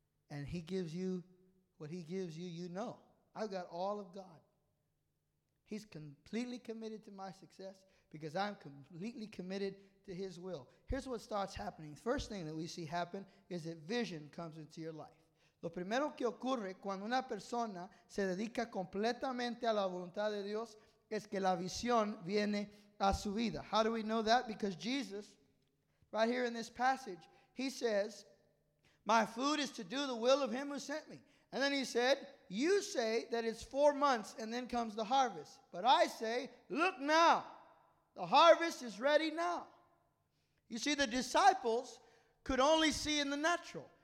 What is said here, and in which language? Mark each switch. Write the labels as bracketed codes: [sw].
[en] And he gives you what he gives you, you know. I've got all of God. He's completely committed to my success because I'm completely committed to his will. Here's what starts happening. First thing that we see happen is that vision comes into your life. [es] Lo primero que ocurre cuando una persona se dedica completamente a la voluntad de Dios es que la visión viene a su vida. [en] How do we know that? Because Jesus, right here in this passage, he says, my food is to do the will of him who sent me. And then he said, you say that it's 4 months and then comes the harvest. But I say, look now. The harvest is ready now. You see, the disciples could only see in the natural.